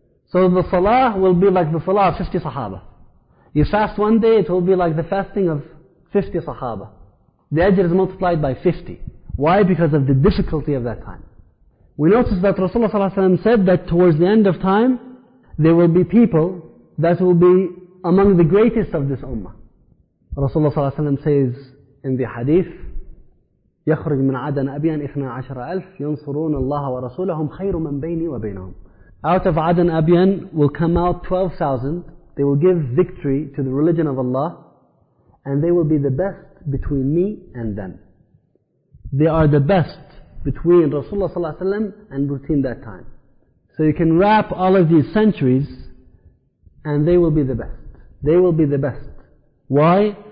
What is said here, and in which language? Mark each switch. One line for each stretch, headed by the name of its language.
English: So the salah will be like the salah of 50 Sahaba. You fast one day, it will be like the fasting of 50 Sahaba. The ajr is multiplied by 50. Why? Because of the difficulty of that time. We notice that Rasulullah ﷺ said that towards the end of time, there will be people that will be among the greatest of this ummah. Rasulullah ﷺ says in the hadith,
Arabic: يَخْرِجْ مِنْ عَدَنَ أَبِيًا 12,000 يَنْصُرُونَ اللَّهَ وَرَسُولَهُمْ خَيْرٌ مَنْ بَيْنِي وَبَيْنَهُمْ.
English: Out of Adan Abiyan will come out 12,000. They will give victory to the religion of Allah, and they will be the best between me and them. They are the best between Rasulullah sallallahu alaihi wasallam and between that time. So you can wrap all of these centuries, and they will be the best. They will be the best. Why?